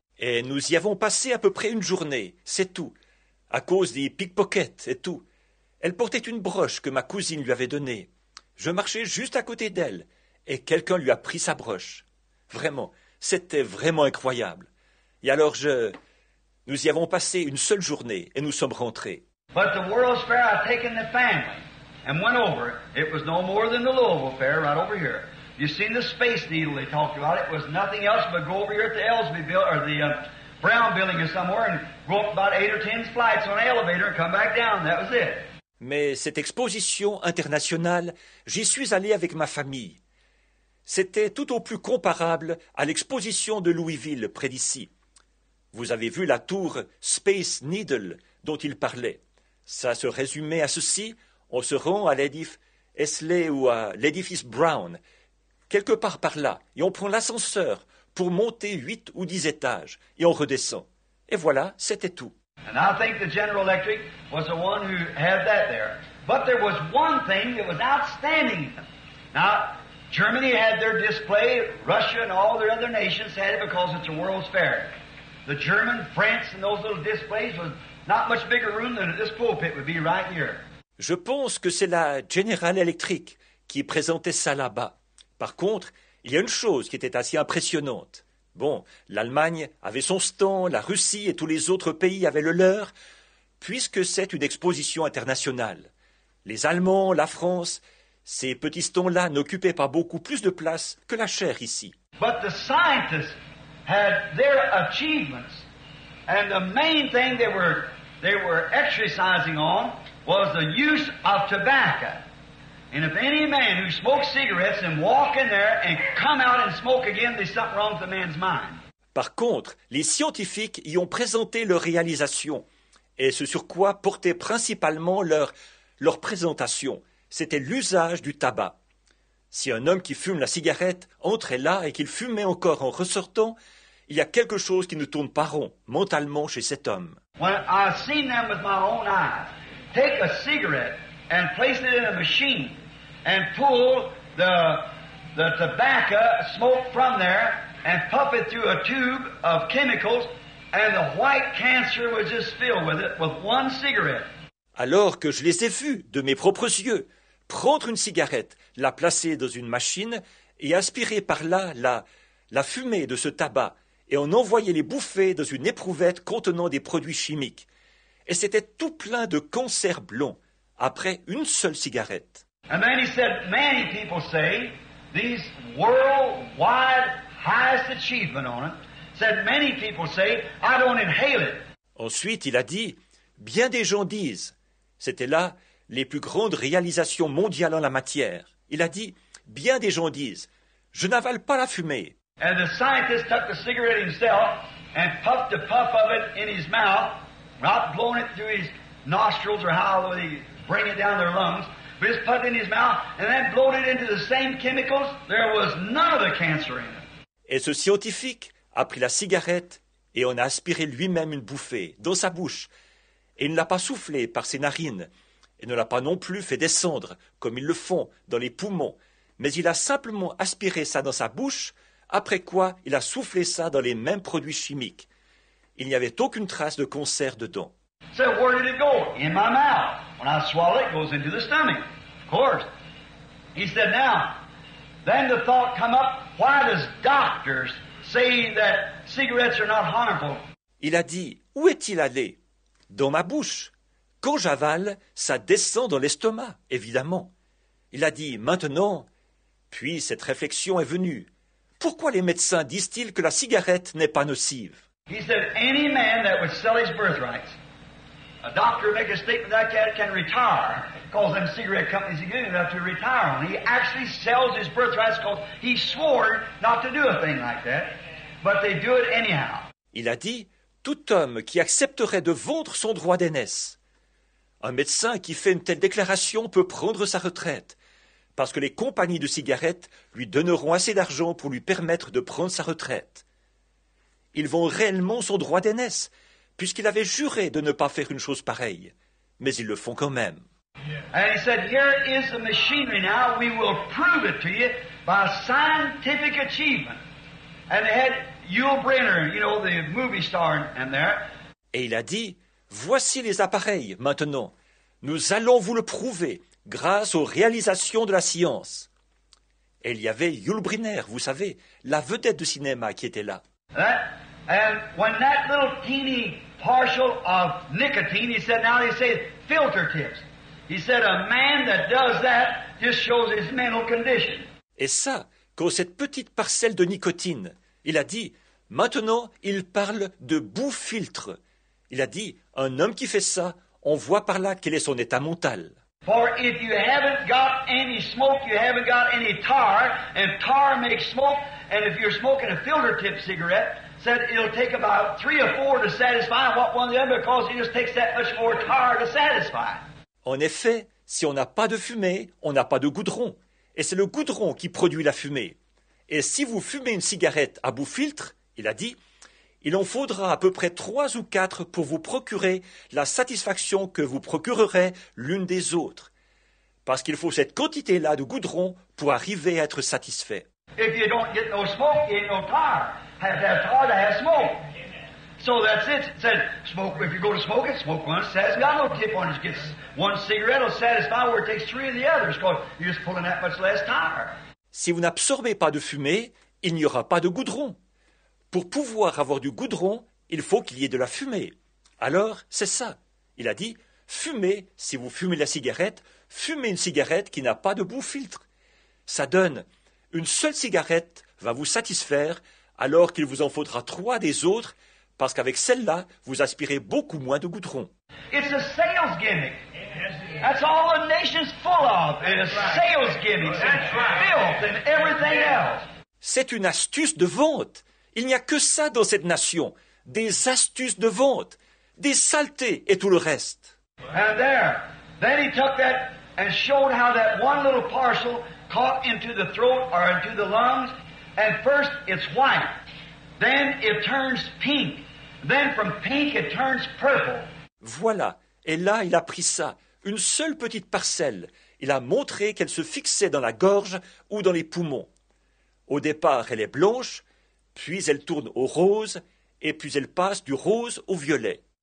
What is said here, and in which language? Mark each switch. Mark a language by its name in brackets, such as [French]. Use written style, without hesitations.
[French] Et nous y avons passé à peu près une journée, c'est tout, à cause des pickpockets et tout. Elle portait une broche que ma cousine lui avait donnée. Je marchais juste à côté d'elle, et quelqu'un lui a pris sa broche. Vraiment, c'était vraiment incroyable. Et alors nous y avons passé une seule journée, et nous sommes rentrés. [English] But the World's Fair, I've taken the family, and went over. It was no more than the Louisville Fair, right over here. You seen the Space Needle they talked about? It was nothing else but go over here at the Ellsby Building, or the brown building or somewhere and go up about 8 or 10 flights on an elevator and come back down. That was it. [French] Mais cette exposition internationale, j'y suis allé avec ma famille. C'était tout au plus comparable à l'exposition de Louisville près d'ici. Vous avez vu la tour Space Needle dont il parlait. Ça se résumait à ceci. On se rend à l'édifice Esley ou à l'édifice Brown, quelque part par là, et on prend l'ascenseur pour monter 8 ou 10 étages, et on redescend. Et voilà, c'était tout. [English] And I think the General Electric was the one who had that there. But there was one thing that was outstanding. Now, Germany had their display, Russia and all their other nations had it because it's a World's Fair. The German, France and those little displays was not much bigger room than this pulpit would be right here. [French] Je pense que c'est la General Electric qui présentait ça là-bas. Par contre, il y a une chose qui était assez impressionnante. Bon, l'Allemagne avait son stand, la Russie et tous les autres pays avaient le leur, puisque c'est une exposition internationale. Les Allemands, la France, ces petits stands-là n'occupaient pas beaucoup plus de place que la chaire ici. [English] But the scientists had their achievements, and the main thing they were exercising on was the use of tobacco. And if any man who smokes cigarettes and walk in there and come out and smoke again, there's something wrong with the man's mind. [French] Par contre, les scientifiques y ont présenté leur réalisation et ce sur quoi portait principalement leur présentation, c'était l'usage du tabac. Si un homme qui fume la cigarette entrait là et qu'il fumait encore en ressortant, il y a quelque chose qui ne tourne pas rond mentalement chez cet homme. [English] When I've seen them with my own eyes, take a cigarette and place it in a machine and pull the tobacco smoke from there and puff it through a tube of chemicals and the white cancer was just filled with it with one cigarette. [French] Alors que je les ai vus de mes propres yeux prendre une cigarette, la placer dans une machine et aspirer par là la fumée de ce tabac et en envoyer les bouffées dans une éprouvette contenant des produits chimiques. Et c'était tout plein de cancer blond. Après une seule cigarette. [English] And then he said, many people say, these worldwide highest achievement on it, said many people say, I don't inhale it. [French] Ensuite, il a dit, bien des gens disent, c'était là les plus grandes réalisations mondiales en la matière. Il a dit, bien des gens disent, je n'avale pas la fumée. [English] And the scientist took the cigarette himself and puffed a puff of it in his mouth, not blowing it through his nostrils or how the bring it down their lungs, but just put it in his mouth and then blow it into the same chemicals. There was none of the cancer in it. [French] Et ce scientifique a pris la cigarette et en a aspiré lui-même une bouffée dans sa bouche. Et il ne l'a pas soufflé par ses narines et ne l'a pas non plus fait descendre comme ils le font dans les poumons. Mais il a simplement aspiré ça dans sa bouche, après quoi il a soufflé ça dans les mêmes produits chimiques. Il n'y avait aucune trace de cancer dedans. [English] So where did it go? In my mouth. When I swallow it, it goes into the stomach. Of course. He said, now, then the thought come up, why does doctors say that cigarettes are not harmful? [French] Il a dit, où est-il allé? Dans ma bouche. Quand j'avale, ça descend dans l'estomac, évidemment. Il a dit, maintenant, puis cette réflexion est venue. Pourquoi les médecins disent-ils que la cigarette n'est pas nocive? [English] He said, any man that would sell his birthrights, a doctor make a statement like that can retire, because them cigarette companies are good enough to retire on. He actually sells his birthrights because he swore not to do a thing like that, but they do it anyhow. [French] Il a dit, tout homme qui accepterait de vendre son droit d'aînesse, un médecin qui fait une telle déclaration peut prendre sa retraite, parce que les compagnies de cigarettes lui donneront assez d'argent pour lui permettre de prendre sa retraite. Ils vendent réellement son droit d'aînesse, puisqu'il avait juré de ne pas faire une chose pareille. Mais ils le font quand même. [English] And he said, here is the machinery now. We will prove it to you by scientific achievement. And they had Yul Brynner, you know, the movie star in there. [French] Et il a dit, voici les appareils maintenant. Nous allons vous le prouver grâce aux réalisations de la science. Et il y avait Yul Brynner, vous savez, la vedette de cinéma qui était là. [English] And when that little teeny partial of nicotine, he said, now they say filter tips. He said, a man that does that just shows his mental condition. [French] Et ça, quand cette petite parcelle de nicotine, il a dit, Maintenant, il parle de boue-filtre. Il a dit, un homme qui fait ça, on voit par là quel est son état mental. [English] For if you haven't got any smoke, you haven't got any tar, and tar makes smoke, and if you're smoking a filter tip cigarette, said it'll take about three or four to satisfy what one of the other, because it just takes that much more tar to satisfy. [French] En effet, si on n'a pas de fumée, on n'a pas de goudron. Et c'est le goudron qui produit la fumée. Et si vous fumez une cigarette à bout filtre, il a dit, il en faudra à peu près trois ou quatre pour vous procurer la satisfaction que vous procurerez l'une des autres. Parce qu'il faut cette quantité-là de goudron pour arriver à être satisfait. [English] If you don't get no smoke, you ain't no tar. Have to have tar to have smoke. So that's it. It said, smoke, if you go to smoke it, smoke one. It says, got no tip on it. Gets one cigarette will satisfy where it takes three of the others, because you're just pulling that much less tar. [French] Si vous n'absorbez pas de fumée, il n'y aura pas de goudron. Pour pouvoir avoir du goudron, il faut qu'il y ait de la fumée. Alors, c'est ça. Il a dit, fumez, si vous fumez la cigarette, fumez une cigarette qui n'a pas de boue filtre. Ça donne, une seule cigarette va vous satisfaire, alors qu'il vous en faudra trois des autres, parce qu'avec celle-là, vous aspirez beaucoup moins de goudron. [English] It's a sales gimmick. That's all the nation's full of. It's a sales gimmick. It's filth and everything else. [French] C'est une astuce de vente. Il n'y a que ça dans cette nation. Des astuces de vente. Des saletés et tout le reste. [English] And there. Then he took that and showed how that one little parcel caught into the throat or into the lungs. And first it's white. Then it turns pink. Then from pink it turns purple. [French] Voilà. Et là, il a pris ça. Une seule petite parcelle. Il a montré qu'elle se fixait dans la gorge ou dans les poumons. Au départ, elle est blanche, puis elle tourne au rose, et puis elle passe du rose au violet.